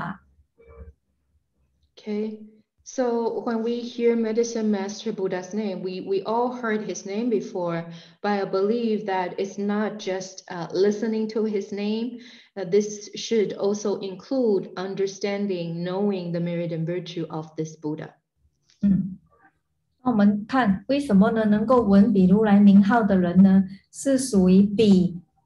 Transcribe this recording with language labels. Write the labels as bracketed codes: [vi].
[zh] 好，所以呢，我们每个人呢要知道哦，在这里讲说闻彼如来名号哦，其实不是只是说听大家都认识嘛，药师佛，药师佛。但是呢，闻名号不是只是闻到他的名字这么简单呢，应该是包括认识这尊佛的功德吧。Okay, [en] so when we hear Medicine Master Buddha's name, we all heard his name before, but I believe that it's not just listening to his name. This should also include understanding, knowing the merit and virtue of this Buddha. [zh] 那我们看为什么呢，能够闻彼如来名号的人呢，是属于彼。